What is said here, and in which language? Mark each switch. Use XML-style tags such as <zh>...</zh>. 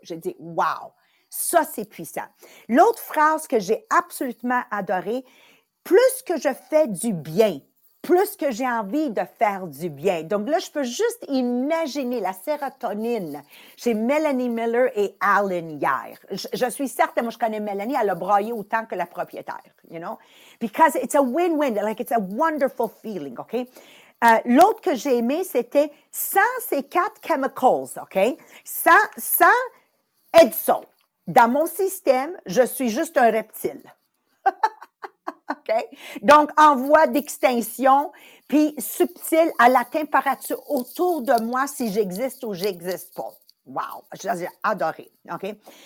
<fr>J'ai dit, wow, ça c'est puissant. L'autre phrase que j'ai absolument adorée, plus que je fais du bien, plus que j'ai envie de faire du bien. Donc là, je peux juste imaginer la sérotonine chez Melanie Miller et Alan hier. Je suis certaine, moi je connais Melanie, elle a braillé autant que la propriétaire,</fr> <en>you know? Because it's a win-win, like it's a wonderful feeling, okay?</en> <fr>L'autre que j'ai aimé, c'était sans ces quatre chemicals, okay? Sans EDSO, dans mon système, je suis juste un reptile. OK? Donc, en voie d'extinction, puis subtil à la température autour de moi si j'existe ou j'existe pas. Wow! J'ai adoré. OK?</fr>